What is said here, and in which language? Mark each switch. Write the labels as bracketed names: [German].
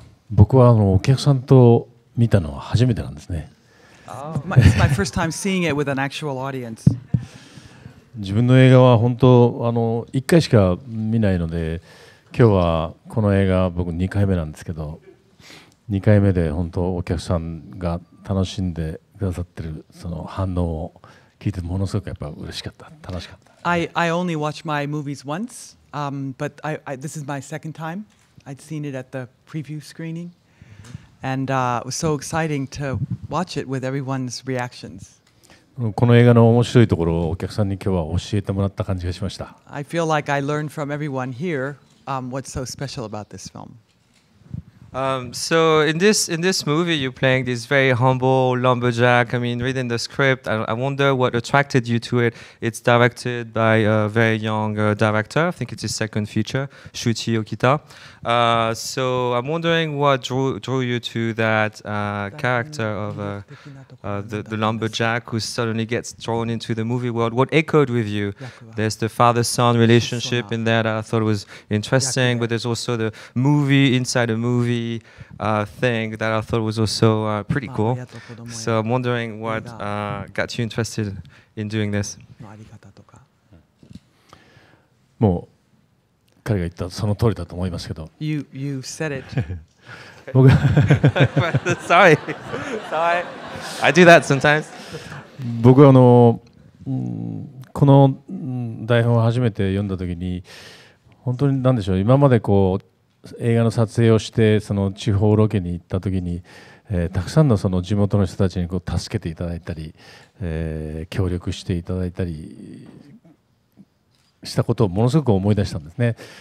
[Japanese] 僕はお客さんと見たのは初めてなんですね。 [English] It's my first time seeing it with an actual audience. [Japanese] 自分の映画は本当一回しか見ないので、今日はこの映画僕2回目なんですけど、2回目で本当お客さんが楽しんでくださってるその反応を聞いてものすごくやっぱ嬉しかった、楽しかった。 [English] I only watch my movies once, but I this is my second time. I'd seen it at the preview screening, and it was so exciting to watch it with everyone's reactions. [Japanese] この映画の面白いところをお客さんに今日は教えてもらった感じがしました。 [English] I feel like I learned from everyone here, what's so special about this film. So in this movie, you're playing this very humble lumberjack. I mean, reading the script, I wonder what attracted you to it. It's directed by a very young director. I think it's his second feature, Shuichi Okita. So I'm wondering what drew you to that character of the lumberjack who suddenly gets drawn into the movie world. What echoed with you? There's the father-son relationship in there that I thought was interesting, but there's also the movie inside a movie thing that I thought was also pretty cool. So I'm wondering what got you interested in doing this. [Japanese] もう彼が言ったその通りだと思いますけど。 [English] You said it. Sorry. I do that sometimes. [Japanese] 僕はこの台本を初めて読んだ時に本当に何でしょう、今までこう映画の撮影をしてその地方ロケに行った時に、たくさん の, その地元の人たちにこう助けていただいたり、協力していただいたりしたことをものすごく思い出したんですね。